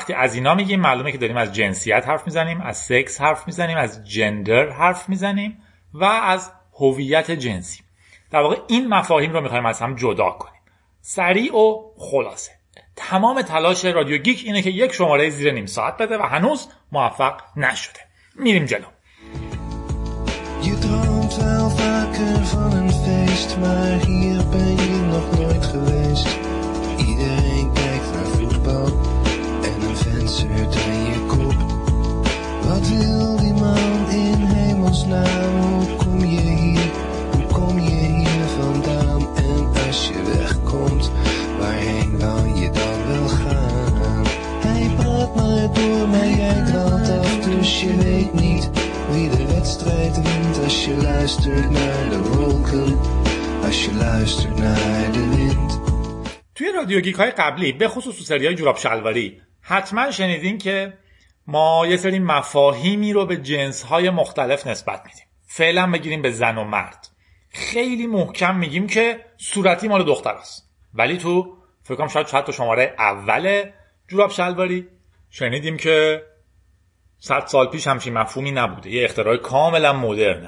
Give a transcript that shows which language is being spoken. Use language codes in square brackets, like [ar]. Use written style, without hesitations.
[fa] وقتی از اینا میگیم معلومه که داریم از جنسیت حرف میزنیم، از سکس حرف میزنیم، از جندر حرف میزنیم و از هویت جنسی. در واقع این مفاهیم رو میخوایم از هم جدا کنیم. سریع و خلاصه، تمام تلاش رادیو گیک اینه که یک شماره زیر نیم ساعت بده و هنوز موفق نشده. میریم جلو. [nl] Je droomt wel vaker van een feest, maar hier ben je nog nooit geweest. Iedereen kijkt naar voetbal en een fan zeurt aan je kop. Wat wil die man in hemelsnaam? Hoe kom je hier? Hoe kom je hier vandaan? En als je wegkomt, waarheen wou je dan wel gaan? Hij praat maar door, maar jij draalt af, dus je weet niet wie de wedstrijd wint. Als je luistert naar de wolken, als je luistert naar de wind. [fa] توی رادیو گیک های قبلی به خصوص سری های جوراب شلواری حتما شنیدین که ما یه سری مفاهیمی رو به جنس های مختلف نسبت میدیم. فعلا بگیریم به زن و مرد، خیلی محکم میگیم که صورتی مال دختر است. ولی تو فکر کنم شاید تو شماره اول جوراب شلواری شنیدیم که 100 سال پیش همچین مفهومی نبوده، یه اختراع کاملا مدرنه.